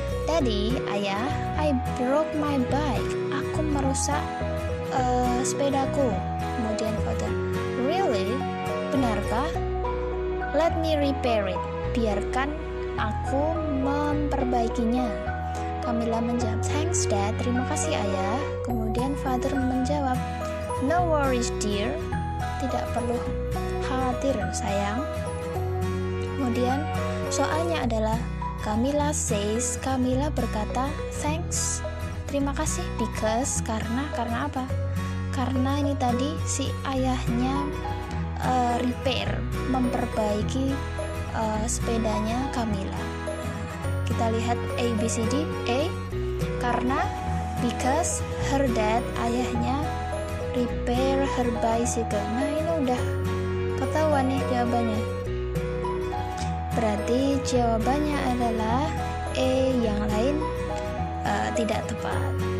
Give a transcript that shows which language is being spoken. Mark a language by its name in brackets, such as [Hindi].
[English] Daddy, ayah, I broke my bike. [Indonesian] Aku merusak sepedaku. Kemudian father, [English] really? Benarkah? Let me repair it. [Indonesian] Biarkan aku memperbaikinya. Camilla menjawab, [English] thanks dad, [Indonesian] terima kasih ayah. Kemudian father menjawab, [English] no worries dear, [Indonesian] tidak perlu khawatir sayang. Kemudian soalnya adalah, [English] Camilla says, [Indonesian] Camilla berkata, thanks, terima kasih, because, karena apa? Karena ini tadi si ayahnya repair, memperbaiki sepedanya Camilla. Kita lihat A, B, C, D. [English] A, karena, because her dad, ayahnya, repair her bicycle. [Indonesian] Nah, ini udah ketahuan nih jawabannya. Berarti jawabannya adalah A, yang lain tidak tepat.